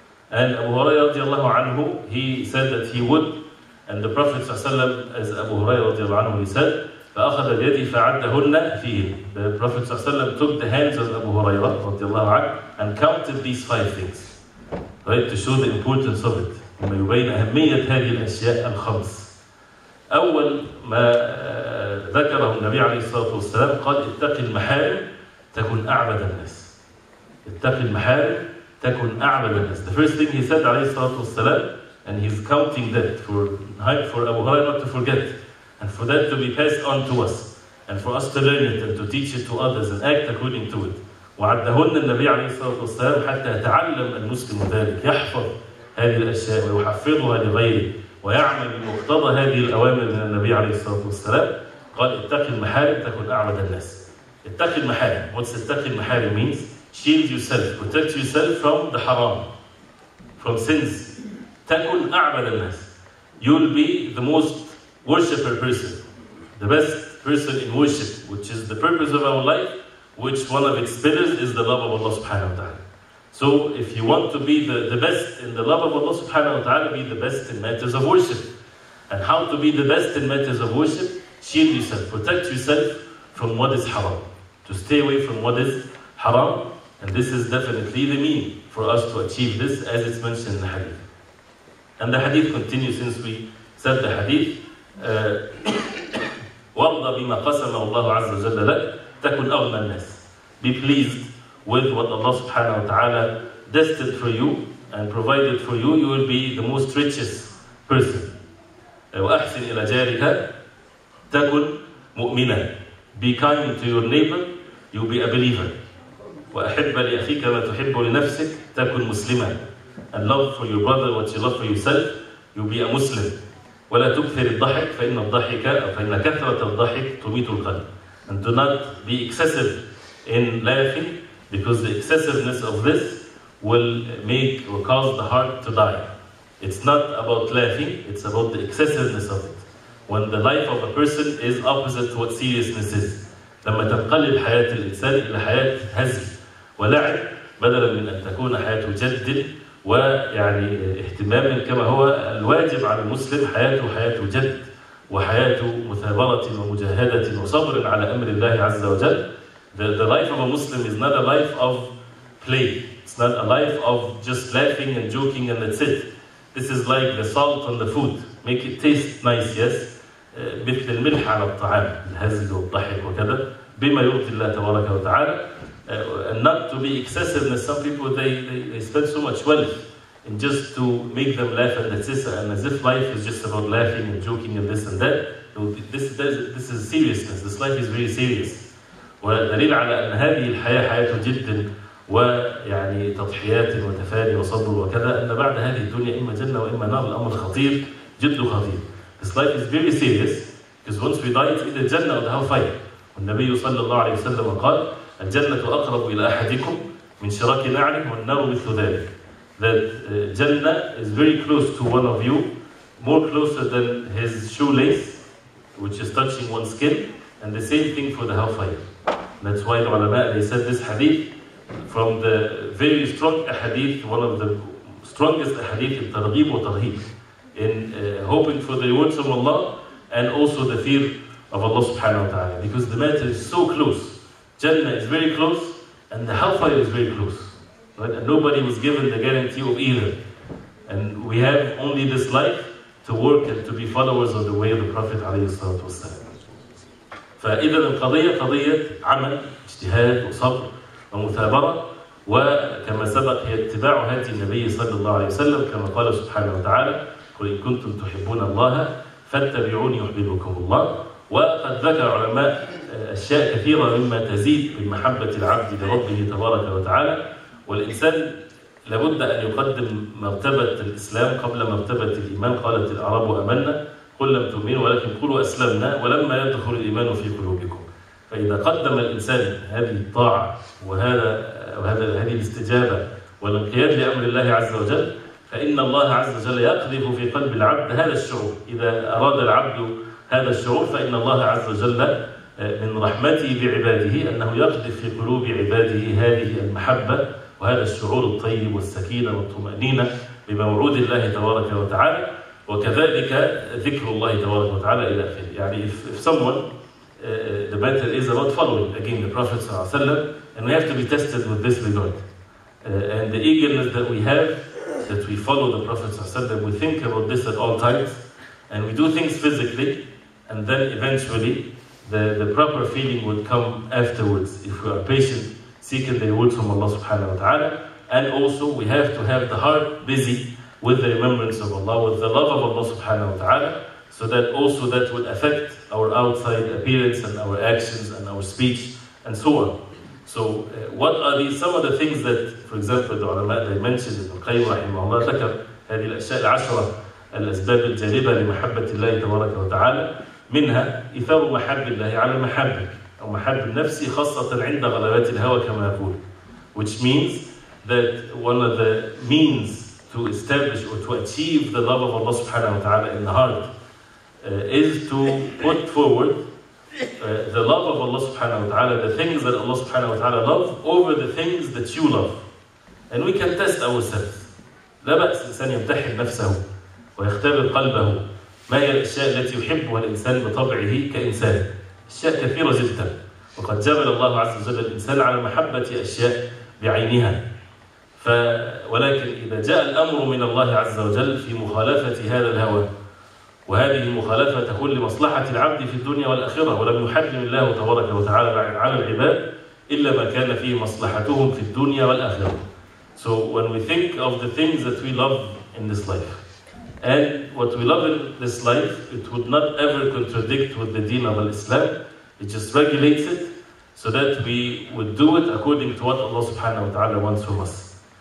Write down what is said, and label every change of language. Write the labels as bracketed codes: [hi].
[en] And Abu Hurairah radiallahu anhu, he said that he would. And the Prophet as Abu Hurairah radiallahu anhu, he said, [ar] فأخذ بيدي فعدهن فيه. [en] The Prophet ﷺ took the hands of Abu Hurairah رضي الله عنه and counted these five things, right, to show the importance of it. [ar] ما يبين أهمية هذه الأشياء الخمس. أول ما ذكره النبي عليه الصلاة والسلام قال اتق المحارم تكن أعبد الناس. اتق المحارم تكن أعبد الناس. [en] The first thing he said عليه الصلاة والسلام and he's counting that for Abu Hurairah to forget. And for that to be passed on to us, and for us to learn it and to teach it to others and act according to it. [ar] وعدهن النبي عليه الصلاة والسلام حتى يتعلم المسلم ذلك يحفظ هذه الأشياء ويحفظها لغيره ويعمل بمقتضى هذه الأوامر من النبي عليه الصلاة والسلام. قال اتق المحارم تكن أعبد الناس. اتق المحارم. [en] What's [ar] اتق المحارم [en] means? Shield yourself, protect yourself from the haram, from sins. [ar] تكن أعبد الناس. [en] You'll be the most worshipper person, the best person in worship, which is the purpose of our life, which one of its pillars is the love of Allah subhanahu wa ta'ala. So if you want to be the best in the love of Allah subhanahu wa ta'ala, be the best in matters of worship. And how to be the best in matters of worship? Shield yourself, protect yourself from what is haram. To stay away from what is haram. And this is definitely the mean for us to achieve this as it's mentioned in the hadith. And the hadith continues since we said the hadith. [ar] وارض بما قسمه الله عز وجل لك تكن أغنى الناس. [en] Be pleased with what Allah subhanahu wa ta'ala destined for you and provided for you. You will be the most richest person. [ar] وأحسن إلى جارك تكن مؤمنا. [en] Be kind to your neighbor, you'll be a believer. [ar] وأحب لأخيك ما تحب لنفسك تكن مسلما. [en] And love for your brother what you love for yourself, you'll be a Muslim. [ar] ولا تكثر الضحك فإن الضحك فإن كثرة الضحك تميت القلب. [en] And do not be excessive in laughing because the excessiveness of this will make or cause the heart to die. It's not about laughing, it's about the excessiveness of it. When the life of a person is opposite to what seriousness is. [ar] لما تنقلب حياة الإنسان إلى حياة هزل ولعب بدلا من أن تكون حياته جد ويعني اهتمام كما هو الواجب على المسلم حياته حياة جد وحياته مثابرة ومجاهدة وصبر على أمر الله عز وجل. [en] The life of a Muslim is not a life of play. It's not a life of just laughing and joking and that's it. This is like the salt on the food. Make it taste nice, yes. [ar] مثل الملح على الطعام الهزل والضحك وكذا بما يرضي الله تبارك وتعالى. [en] Not to be excessive. And some people they spend so much wealth in just to make them laugh and that's it. And as if life is just about laughing and joking and this and that. This is seriousness. This life is really serious. [ar] ودليل على أن هذه الحياة حياة جد ويعني تضحيات وتفاني وصبر وكذا أن بعد هذه الدنيا إما جنة وإما نار الأمر خطير جد خطير. [en] This life is very serious because once we die it's either جنة or the hellfire. [ar] والنبي صلى الله عليه وسلم قال الجنة أقرب إلى أحدكم من شراك نعله والنار مثل ذلك. [en] That جنة is very close to one of you, more closer than his shoelace which is touching one's skin, and the same thing for the hellfire. That's why the ulama, they said this hadith from the very strong hadith, one of the strongest hadith in targhib wa tarhib, in hoping for the rewards of Allah and also the fear of Allah subhanahu wa ta'ala. Because the matter is so close. Jannah is very close and the hellfire is very close. Right? And nobody was given the guarantee of either. And we have only this life to work and to be followers of the way of the Prophet alayhi salatu wasalam. [ar] فإذا القضية قضية عمل اجتهاد وصبر ومثابرة وكما سبق هي اتباع هدي النبي صلى الله عليه وسلم كما قال سبحانه وتعالى قل إن كنتم تحبون الله فاتبعوني يحببكم الله. وقد ذكر علماء أشياء كثيرة مما تزيد من محبة العبد لربه تبارك وتعالى. والإنسان لابد أن يقدم مرتبة الإسلام قبل مرتبة الإيمان. قالت الأعراب آمنا قل لم تؤمنوا ولكن قلوا أسلمنا ولما يدخل الإيمان في قلوبكم. فإذا قدم الإنسان هذه الطاعة وهذه الاستجابة والانقياد لأمر الله عز وجل فإن الله عز وجل يقذف في قلب العبد هذا الشعور. إذا أراد العبد هذا الشعور فإن الله عز وجل من رحمته بعباده أنه يقذف في قلوب عباده هذه المحبة وهذا الشعور الطيب والسكينة والطمأنينة بموعود الله تبارك وتعالى. وكذلك ذكر الله تبارك وتعالى إلى آخره. [en] يعني if someone the matter is about following again the Prophet صلى الله عليه وسلم and we have to be tested with this regard and the eagerness that we have that we follow the Prophet صلى الله عليه وسلم, we think about this at all times and we do things physically and then eventually the proper feeling would come afterwards if we are patient seeking the rewards from Allah subhanahu wa ta'ala. And also we have to have the heart busy with the remembrance of Allah, with the love of Allah subhanahu wa ta'ala, so that also that would affect our outside appearance and our actions and our speech and so on. So what are these, some of the things that, for example, the ulama they mentioned in Al-Qayyim rahimahullah, [ar] ذكر هذه الأشياء العشرة الأسباب الجالبة لمحبة الله تبارك وتعالى. منها إثار محب الله على محبك أو محب النفس خاصة عند غلبات الهوى كما يقول. [en] Which means that one of the means to establish or to achieve the love of Allah subhanahu wa ta'ala in the heart is to put forward the love of Allah subhanahu wa ta'ala, the things that Allah subhanahu wa ta'ala loves over the things that you love. And we can test ourselves. [ar] لا بأس الإنسان يمتحن نفسه ويختبر قلبه ما هي الأشياء التي يحبها الإنسان بطبعه كإنسان. أشياء كثيرة جدا وقد جبل الله عز وجل الإنسان على محبة أشياء بعينها. ولكن إذا جاء الأمر من الله عز وجل في مخالفة هذا الهوى وهذه المخالفة تكون لمصلحة العبد في الدنيا والآخرة ولم يحرم الله تبارك وتعالى على العباد إلا ما كان فيه مصلحتهم في الدنيا والآخرة. [en] So when we think of the things that we love in this life and what we love in this life, it would not ever contradict with the deen of Islam. It just regulates it so that we would do it according to what Allah subhanahu wa ta'ala wants from us.